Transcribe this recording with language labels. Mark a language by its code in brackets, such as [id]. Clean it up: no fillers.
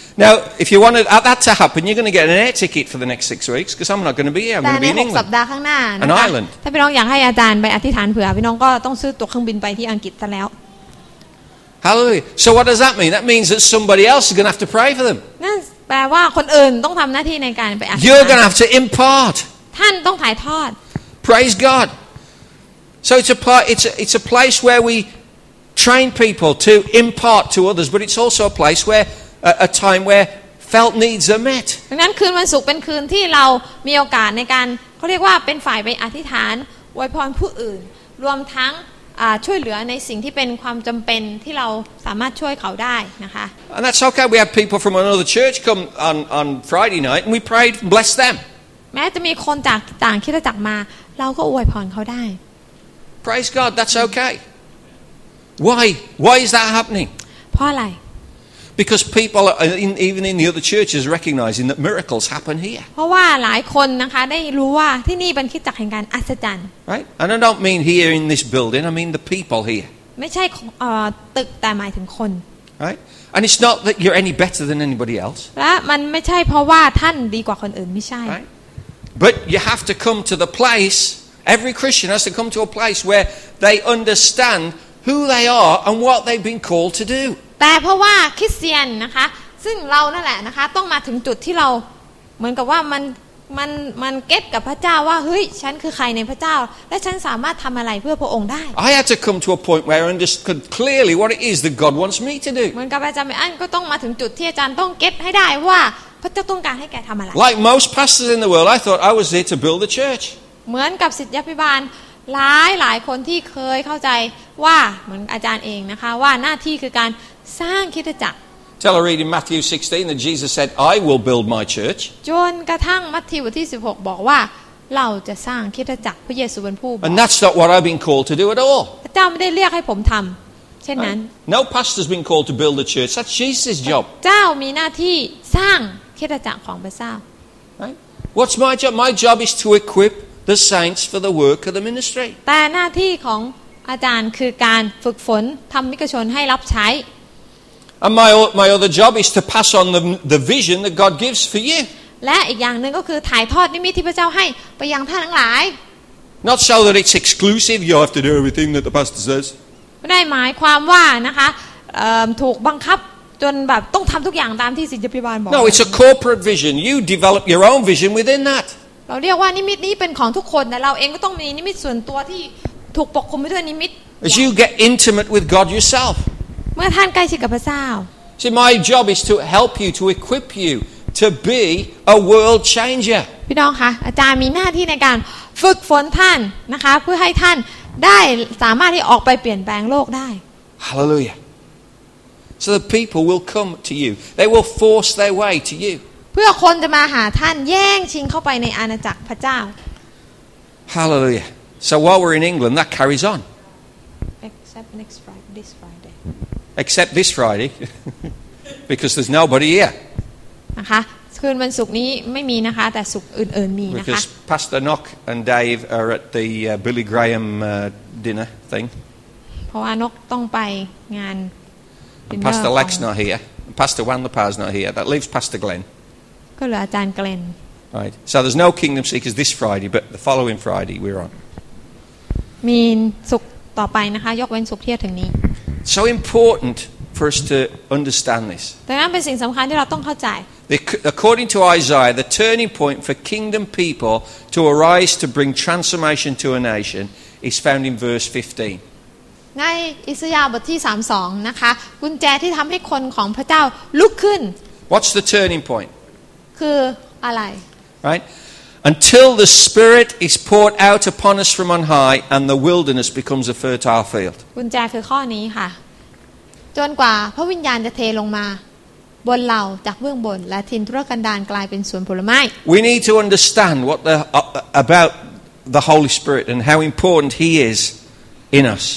[en] Now, if you wanted that to happen, you're going to get an air ticket for the next 6 weeks because I'm not going to be here. I'm going to be in England. [th] สัปดาห์ข้างหน้านะคะ [en] An island. [th] ถ้าพี่น้องอยากให้อาจารย์ไปอธิษฐานเผื่อพี่น้องก็ต้องซื้อตั๋วเครื่องบินไปที่อังกฤษซะแล้ว [en] Hallelujah. So what does that mean? That means that somebody else is going to have to pray for them. [th] นั่นแปลว่าคนอื่นต้องทำหน้าที่ในการไปอธิษฐาน [en] You're going to have to impart. [th] ท่านต้องถ่ายทอด [en] Praise God. So it's a place where we train people to impart to others, but it's also a place whereA time where felt needs are met. [th] ดังนั้นคืนวันศุกร์เป็นคืนที่เรามีโอกาสในการเขาเรียกว่าเป็นฝ่ายไปอธิษฐานอวยพรผู้อื่นรวมทั้งช่วยเหลือในสิ่งที่เป็นความจำเป็นที่เราสามารถช่วยเขาได้นะคะ [en] And that's okay. We had people from another church come on Friday night, and we prayed and blessed them. [th] แม้จะมีคนจากต่างคริสตจักรมาเราก็อวยพรเขาได้ [en] Praise God. That's okay. Why is that happening? [th] เพราะอะไร [en] Because people even in the other churches recognizing that miracles happen here. [th] เพราะว่าหลายคนนะคะได้รู้ว่าที่นี่เป็นคริสตจักรแห่งการอัศจรรย์ [en] Right? And I don't mean here in this building. I mean the people here. [th] ไม่ใช่ตึกแต่หมายถึงคน [en] Right? And it's not that you're any better than anybody else. [th] และมันไม่ใช่เพราะว่าท่านดีกว่าคนอื่นไม่ใช่ [en] Right? But you have to come to the place. Every Christian has to come to a place where they understand who they are and what they've been called to do. [th] แต่เพราะว่าคริสเตียนนะคะซึ่งเรานั่นแหละนะคะต้องมาถึงจุดที่เราเหมือนกับว่ามันเก็ทกับพระเจ้าว่าเฮ้ยฉันคือใครในพระเจ้าและฉันสามารถทำอะไรเพื่อพระองค์ได้ [en] I had to come to a point where I understood clearly what it is that God wants me to do [th] เหมือนกับอาจารย์ไอ้อันก็ต้องมาถึงจุดที่อาจารย์ต้องเก็ทให้ได้ว่าพระเจ้าต้องการให้แกทำอะไร [en] Like most pastors in the world I thought I was there to build the church [th] เหมือนกับศิษยาภิบาลหลายหลายคนที่เคยเข้าใจว่าเหมือนอาจารย์เองนะคะว่าหน้าที่คือการสร้างคริสตจักร [en] Tell a read in Matthew 16 that Jesus said I will build my church [th] จนกระทั่งมัทธิวบทที่16บอกว่าเราจะสร้างคริสตจักรพระเยซูเป็นผู้ [en] And that's not what I've been called to do at all [th] พระเจ้าไม่ได้เรียกให้ผมทำเช่นนั้น [en] No pastor's been called to build the church that's Jesus' job [th] เจ้ามีหน้าที่สร้างคริสตจักรของพระเจ้า [en] What's my job is to equip the saints for the work of the ministry [th] แต่หน้าที่ของอาจารย์คือการฝึกฝนทำมิกชนให้รับใช้ [en] And my other job is to pass on the vision that God gives for you. [th] และอีกอย่างนึงก็คือถ่ายทอดนิมิตที่พระเจ้าให้ไปยังท่านทั้งหลาย [en] Not so that it's exclusive you have to do everything that the pastor says. [th] ไม่ได้หมายความว่านะคะถูกบังคับจนแบบต้องทำทุกอย่างตามที่ศิษยาภิบาลบอก [en] No, it's a corporate vision. You develop your own vision within that. [th] เราเรียกว่านิมิตนี้เป็นของทุกคนแต่เราเองก็ต้องมีนิมิตส่วนตัวที่ถูกปกคลุมด้วยนิมิต [en] As you get intimate with God yourself. [th] เมื่อท่านใกล้ชิดกับพระเจ้า [en] See my job is to help you to equip you to be a world changer [th] พี่น้องคะอาจารย์มีหน้าที่ในการฝึกฝนท่านนะคะเพื่อให้ท่านได้สามารถที่ออกไปเปลี่ยนแปลงโลกได้ [en] Hallelujah So the people will come to you they will force their way to you [th] เพื่อคนจะมาหาท่านแย่งชิงเข้าไปในอาณาจักรพระเจ้า [en] Hallelujah So while we're in England that carries on Except next Friday this Friday Except this Friday, because there's nobody here. [th] นะคะคืนวันศุกร์นี้ไม่มีนะคะแต่ศุกร์อื่นๆมีนะคะ [en] Because Pastor Nock and Dave are at the Billy Graham dinner thing. [th] เพราะว่านกต้องไปงาน [en] Pastor Lex not here. Pastor Wanlapar's not here. That leaves Pastor Glenn. [th] ก็เหลืออาจารย์เกลน [en] Right. So there's no Kingdom Seekers this Friday, but the following Friday we're on. [th] มีศุกร์ต่อไปนะคะยกเว้นศุกร์ที่ถึงนี้ [en] So important for us to understand this. [th] แต่นั่นเป็นสิ่งสำคัญที่เราต้องเข้าใจ [en] According to Isaiah, the turning point for kingdom people to arise to bring transformation to a nation is found in verse 15. [th] ในอิสยาห์บทที่32นะคะกุญแจที่ทำให้คนของพระเจ้าลุกขึ้น [en] What's the turning point [th] คืออะไร [en] Right Until the Spirit is poured out upon us from on high and the wilderness becomes a fertile field [th] กุญแจคือข้อนี้ค่ะจนกว่าพระวิญญาณจะเทลงมาบนเราจากเบื้องบนและทินทุรกันดารกลายเป็นสวนผลไม้ [en] We need to understand what the about the Holy Spirit and how important he isin us